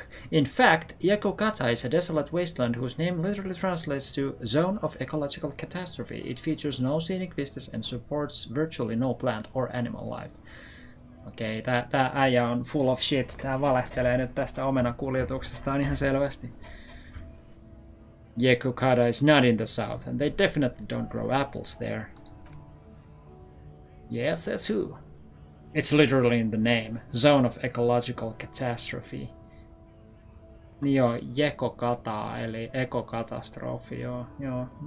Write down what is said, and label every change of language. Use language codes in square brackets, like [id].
[en] In fact, Yakokata is a desolate wasteland whose name literally translates to Zone of Ecological Catastrophe. It features no scenic vistas and supports virtually no plant or animal life. [fi] Okei, okay, tää äijä on [en] full of shit. [fi] Tää valehtelee nyt tästä omenakuljetuksestaan ihan selvästi. [en] Yakokata is not in the south, and they definitely don't grow apples there. Yes, that's who? It's literally in the name, Zone of Ecological Catastrophe. [fi] Niin joo, Yakokata, eli ekokatastrofi, joo, joo.